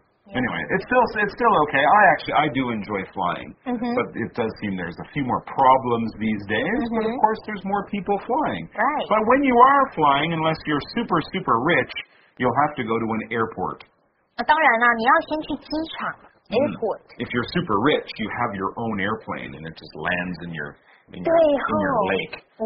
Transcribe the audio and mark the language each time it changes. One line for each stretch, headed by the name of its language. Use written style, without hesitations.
English: Anyway, it's still okay. I do enjoy flying, but it does seem there's a few more problems these days. Mm-hmm. But of course, there's more people flying. Right. But when you are flying, unless you're super super rich, you'll have to go to an airport.
Chinese: 当然啦，你要先去机场 airport.
English: If you're super rich, you have your own airplane, and it just lands in your lake.